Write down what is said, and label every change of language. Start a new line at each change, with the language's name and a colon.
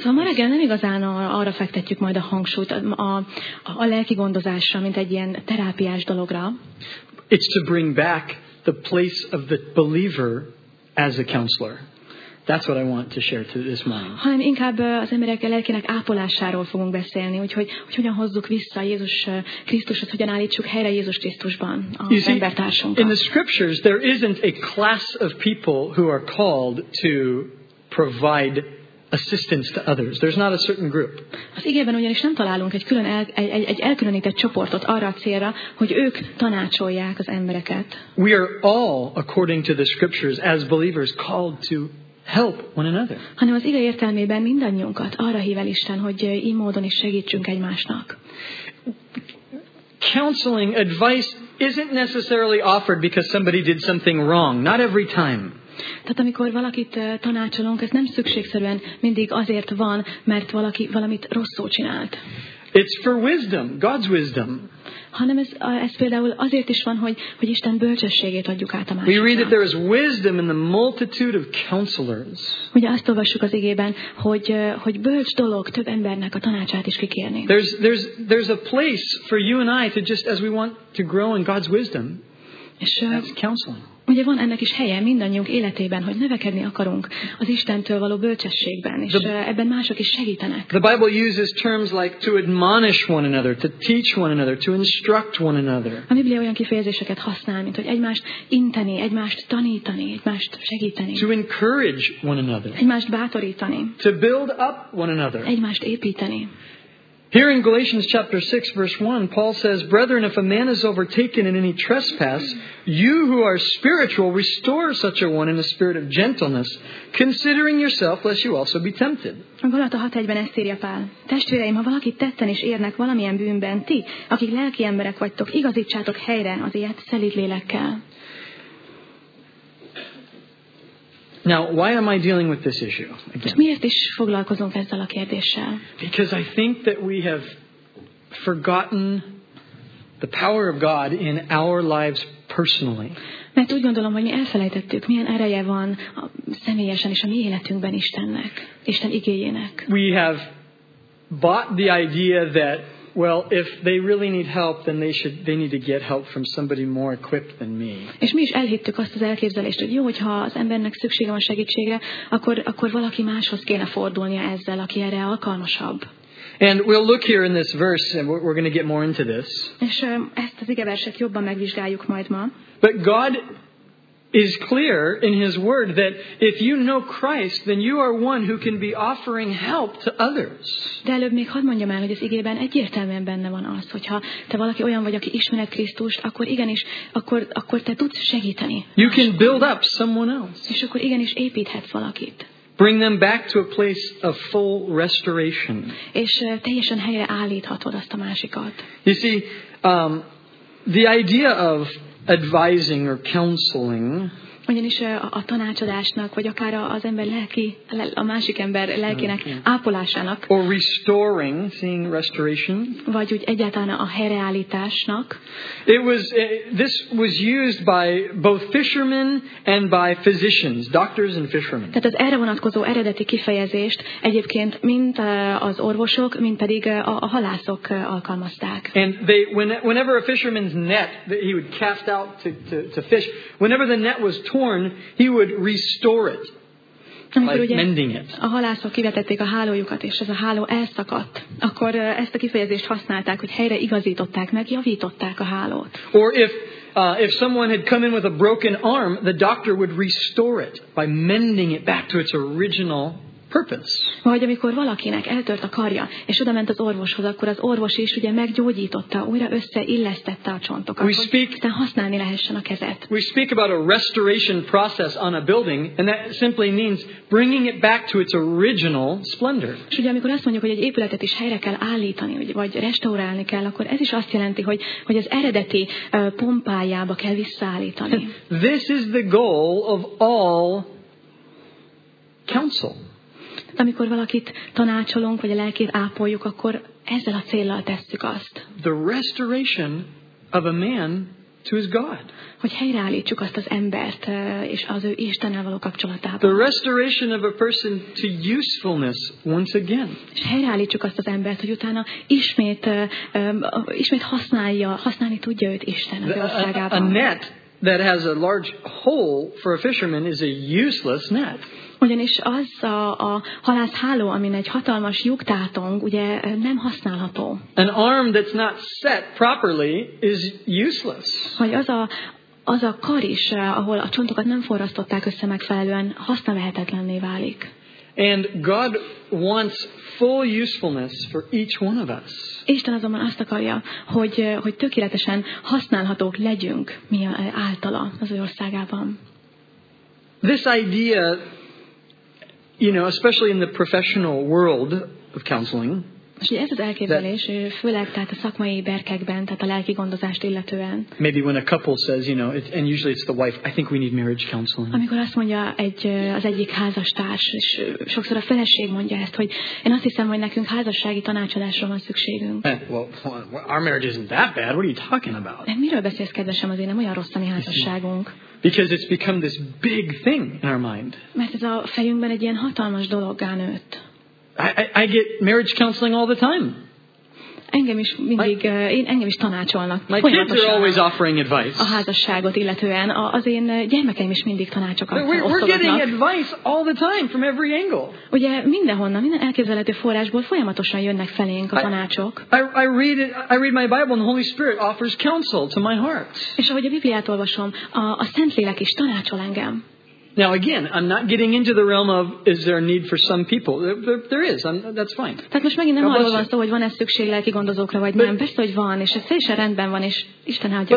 Hungarian: So ma reggel nem igazán arra fektetjük majd a hangsúlyt a lelki gondozásra, mint egy ilyen terápiás dologra.
English: It's to bring back the place of the believer as a counselor. That's what I want to share to this morning.
Hungarian: Hanem inkább az emberek lelkének ápolásáról fogunk beszélni, hogy hogyan hozzuk vissza Jézus Krisztushoz, hogyan állítsuk helyre Jézus Krisztusban az embertársunkat.
English: In the scriptures there isn't a class of people who are called to provide assistance to others. There's not a certain group.
Hungarian: Az igében ugyanis nem találunk egy külön egy elkülönített csoportot arra a célra, hogy ők tanácsolják az embereket.
English: We are all, according to the scriptures, as believers, called to help one another.
Hungarian: Hanem az ige értelmében mindannyiunkat arra hív el Isten, hogy így módon is segítsünk egymásnak.
English: Counseling advice isn't necessarily offered because somebody did something wrong. Not every time.
Hungarian: Tehát amikor valakit tanácsolunk, ez nem szükségszerűen mindig azért van, mert valaki valamit rosszul csinált.
English: It's for wisdom, God's wisdom.
Hungarian: Hanem ez például azért is van, hogy Isten bölcsességét adjuk át a másiknak.
English: We read that there is wisdom in the multitude of counselors.
Hungarian: Ugye azt olvassuk az igében, hogy bölcs dolog több embernek a tanácsát is kikérni.
English: There's a place for you and I to just as we want to grow in God's wisdom.
Hungarian: És
English: that's counseling.
Hungarian: Ugye van ennek is helye mindannyiunk életében, hogy növekedni akarunk az Istentől való bölcsességben, és ebben mások is segítenek.
English: The Bible uses terms like to admonish one another, to teach one another, to instruct one another.
Hungarian: A Biblia olyan kifejezéseket használ, mint hogy egymást inteni, egymást tanítani, egymást segíteni.
English: To encourage one another.
Hungarian: Egymást bátorítani.
English: To build up one another.
Hungarian: Egymást építeni.
English: Here in Galatians chapter 6 verse 1, Paul says, "Brethren, if a man is overtaken in any trespass, you who are spiritual, restore such a one in a spirit of gentleness, considering yourself, lest you also be tempted."
Hungarian: A Galata 6:1-ben ezt írja Pál. Testvéreim, ha valakit tetten és érnek valamilyen bűnben, ti, akik lelki emberek vagytok, igazítsátok helyre az ilyet szelíd lélekkel.
English: Now, why am I dealing with this issue again?
Hungarian: Miért is foglalkozunk ezzel a kérdéssel?
English: Because I think that we have forgotten the power of God in our lives personally.
Hungarian: Mert úgy gondolom, hogy mi elfelejtettük, milyen ereje van személyesen is a mi életünkben Istennek, Isten igéjének.
English: We have bought the idea that, well, if they really need help, then they need to get help from somebody more equipped than me.
Hungarian: És mi is elhittük azt az elképzelést, hogy jó, hogyha az embernek szüksége van segítségre, akkor valaki máshoz kéne fordulnia ezzel, aki erre alkalmasabb.
English: And we'll look here in this verse, and we're going to get more into this.
Hungarian: És ezt az igeverset jobban megvizsgáljuk majd ma.
English: But God is clear in his word that if you know Christ, then you are one who can be offering help to others.
Hungarian: De előbb még hadd mondjam el, hogy az igében egyértelműen benne van az, hogyha te valaki olyan vagy, aki ismered Krisztust, akkor igenis, akkor te tudsz segíteni.
English: You can build up someone else.
Hungarian: És akkor igenis építhetsz valakit.
English: Bring them back to a place of full restoration.
Hungarian: És teljesen helyre állíthatod azt a másikat.
English: You see, the idea of advising or counseling.
Hungarian: Ugyanis a tanácsadásnak, vagy akár az ember lelki, a másik ember lelkének ápolásának.
English: Or restoring, seeing restoration.
Hungarian: Vagy úgy egyáltalán a helyreállításnak.
English: This was used by both fishermen and by physicians, doctors and fishermen.
Hungarian: Tehát az erre vonatkozó eredeti kifejezést egyébként mint az orvosok, mint pedig a halászok alkalmazták.
English: And whenever a fisherman's net that he would cast out to fish, whenever the net was torn, he would restore it, like mending it.
Hungarian: A halászok kivetették a hálójukat, és ez a háló elszakadt. Akkor ezt a kifejezést használták, hogy helyre igazították meg, javították a hálót.
English: Or if someone had come in with a broken arm, the doctor would restore it by mending it back to its original purpose.
Hungarian: Vagy amikor valakinek eltört a karja, és oda ment az orvoshoz, akkor az orvos is ugye meggyógyította, újra összeillesztette a csontokat,
English: we speak,
Hungarian: hogy használni lehessen a kezet.
English: We speak about a restoration process on a building, and that simply means bringing it back to its original splendor.
Hungarian: És ugye amikor azt mondjuk, hogy egy épületet is helyre kell állítani, vagy restaurálni kell, akkor ez is azt jelenti, hogy az eredeti pompájába kell visszaállítani.
English: This is the goal of all counsel.
Hungarian: Amikor valakit tanácsolunk, vagy a lelkét ápoljuk, akkor ezzel a céllal tesszük azt.
English: The restoration of a man to his God.
Hungarian: Hogy helyreállítsuk azt az embert, és az ő Istennel való kapcsolatába.
English: The restoration of a person to usefulness once again.
Hungarian: És helyreállítsuk azt az embert, hogy utána ismét használni tudja őt Isten az országában.
English: A net that has a large hole for a fisherman is a useless net.
Hungarian: Ugyanis az a halász háló, amin egy hatalmas lyuk tátong, ugye nem használható.
English: An arm that's not set properly is useless.
Hungarian: Hogy az a kar is, ahol a csontokat nem forrasztották össze megfelelően, használhatatlanné válik.
English: And God wants full usefulness for each one of us.
Hungarian: Isten azonban azt akarja, hogy tökéletesen használhatók legyünk mi általa az ő országában.
English: This idea, you know, especially in the professional world of counseling.
Hungarian: Most ugye ez az elképzelés, főleg tehát a szakmai berkekben, tehát a lelki gondozást illetően.
English: Maybe when a couple says, you know, and usually it's the wife, I think we need marriage counseling.
Hungarian: Amikor azt mondja az egyik házastárs, és sokszor a feleség mondja ezt, hogy én azt hiszem, hogy nekünk házassági tanácsadásra van szükségünk.
English: Well, our marriage isn't that bad. What are you talking about?
Hungarian: Miről beszélsz, kedvesem, azért nem olyan rossz a mi házasságunk.
English: Because it's become this big thing in our mind.
Hungarian: Mert ez a fejünkben egy ilyen hatalmas dologgá nőtt.
English: I get marriage counseling all the time.
Hungarian: Engem is mindig, engem is tanácsolnak.
English: My kids are always offering advice.
Hungarian: A házasságot illetően az én gyermekeim is mindig tanácsokat osztogatnak.
English: We're getting advice all the time from every angle.
Hungarian: Ugye mindenhonnan, minden elképzelhető forrásból folyamatosan jönnek felénk a tanácsok.
English: I read my Bible and the Holy Spirit offers counsel to my heart.
Hungarian: És ahogy a Bibliát olvasom, a Szentlélek is tanácsol engem.
English: Now again, I'm not getting into the realm of is there a need for some people. There is. That's fine.
Hungarian: Tehát most megint nem arról van szó, hogy van-e szükség lelki gondozókra, vagy nem. Persze, hogy van, és ez teljesen rendben van, és Isten áldja